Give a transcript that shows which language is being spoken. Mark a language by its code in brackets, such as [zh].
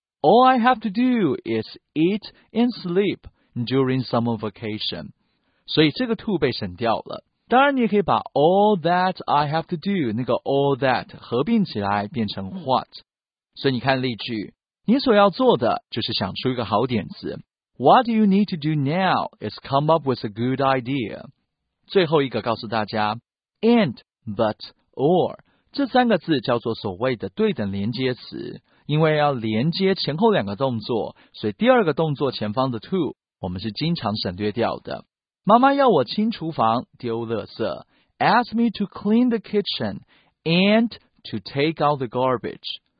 [en] All I have to do is eat and sleep during summer vacation. [zh] 所以这个 to 被省掉了。当然，你也可以把 all that I have to do 那个 all that 合并起来变成 what。所以你看例句，你所要做的就是想出一个好点子。 [en] What you need to do now is come up with a good idea. [zh] 最后一个告诉大家， and, but, or 这三个字叫做所谓的对等连接词，因为要连接前后两个动作，所以第二个动作前方的 to 我们是经常省略掉的。妈妈要我清厨房丢垃圾， [en] Ask me to clean the kitchen and to take out the garbage.